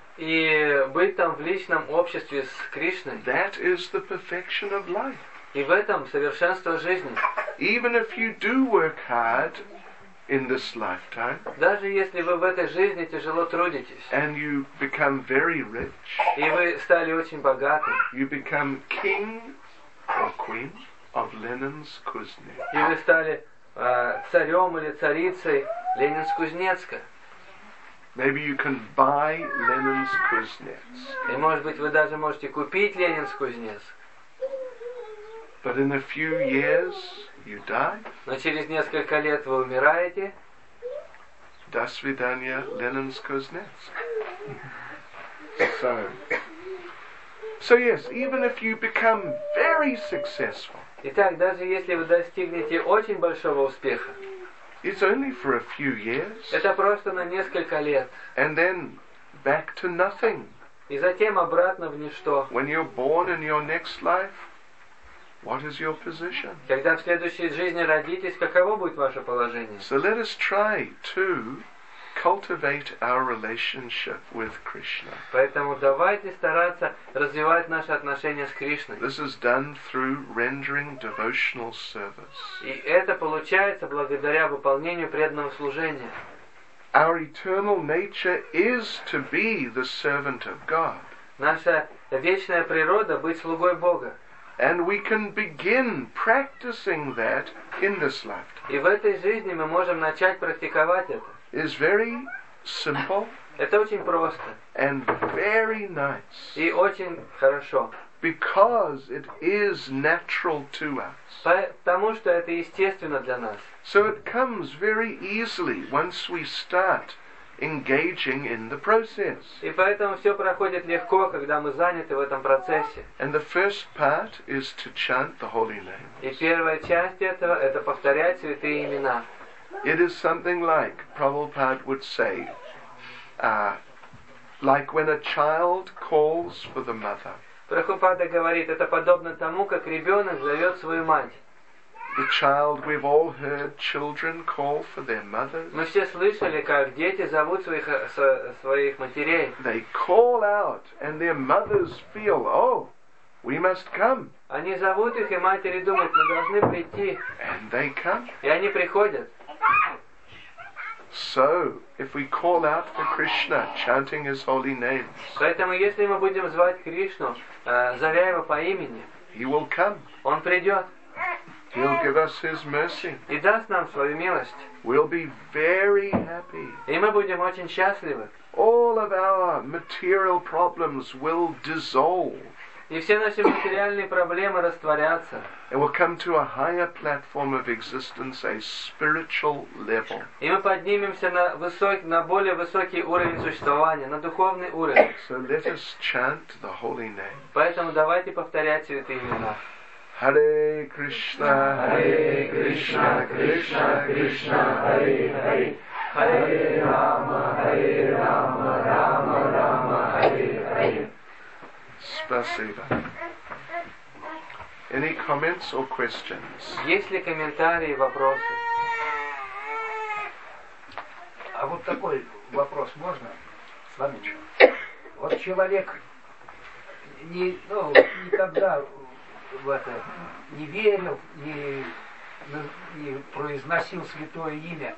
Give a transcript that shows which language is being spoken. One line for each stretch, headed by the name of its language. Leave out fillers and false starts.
Russian: И быть там в личном обществе с Кришной.
English: That is the perfection of life.
Russian: И в этом совершенство жизни.
English: Even if you do work hard in this lifetime.
Russian: Даже если вы в этой жизни тяжело трудитесь.
English: And you become very rich.
Russian: И вы стали очень богаты.
English: You become king or queen of Lenin's Kuznets.
Russian: И вы стали царем или царицей Ленинск-Кузнецка.
English: Maybe you can buy Lenin's Kuznets.
Russian: И может быть вы даже можете купить Ленинск-Кузнец.
English: But in a few years you die.
Russian: Но через несколько лет вы умираете. До свидания, Ленинск Кузнец.
English: So yes, even if you become very successful.
Russian: Итак, даже если вы достигнете очень большого успеха.
English: It's only for a few years.
Russian: Это просто на несколько лет.
English: And then back to nothing.
Russian: И затем обратно в ничто.
English: When you're born in your next life. What is your position?
Russian: Когда в следующей жизни родитесь, каково будет ваше положение?
English: So let us try to cultivate our relationship with Krishna.
Russian: Поэтому давайте стараться развивать наши отношения с Кришной.
English: This is done through rendering devotional service.
Russian: И это получается благодаря выполнению преданного служения.
English: Our eternal nature is to be the servant of God.
Russian: Наша вечная природа быть слугой Бога.
English: And we can begin practicing that in this lifetime.
Russian: И в этой жизни мы можем начать практиковать это.
English: It's very simple.
Russian: Это очень просто.
English: And very nice.
Russian: И очень хорошо.
English: Because it is natural to us.
Russian: Потому что это естественно для нас.
English: So it comes very easily once we start engaging in the process.
Russian: И поэтому все проходит легко, когда мы заняты в этом процессе.
English: And the first part is to chant the holy names.
Russian: И первая часть этого — это повторять святые имена.
English: It is something like Prabhupada would say, like when a child calls for the mother.
Russian: Прабхупада говорит, это подобно тому, как ребенок зовет свою мать.
English: The child, we've all heard children call for their mothers.
Russian: Мы все слышали, как дети зовут своих матерей.
English: They call out, and their mothers feel, oh, we must come.
Russian: Они зовут их, и матери думают, мы должны прийти.
English: And they come.
Russian: И они приходят.
English: So, if we call out for Krishna, chanting his holy name.
Russian: Поэтому, если мы будем звать Кришну, зовя его по имени.
English: He will come.
Russian: Он придет.
English: He'll give us His mercy.
Russian: И даст нам свою милость.
English: We'll be very happy.
Russian: И мы будем очень счастливы.
English: All of our material problems will dissolve.
Russian: И все наши материальные проблемы растворятся.
English: And we'll come to a higher platform of existence, a spiritual level.
Russian: И мы поднимемся на более высокий уровень существования, на духовный уровень.
English: So let us chant the holy name.
Russian: Поэтому давайте повторять святые имена.
Sanskrit: Hare Krishna, Hare Krishna, Krishna Krishna, Hare Hare. Hare Rama, Hare Rama, Rama Rama, Hare Hare.
Russian: Спасибо.
English: Any comments or questions?
Russian: Есть ли комментарии, вопросы? А вот такой вопрос можно? С вами что? Вот человек никогда в это не верил и не произносил святое имя.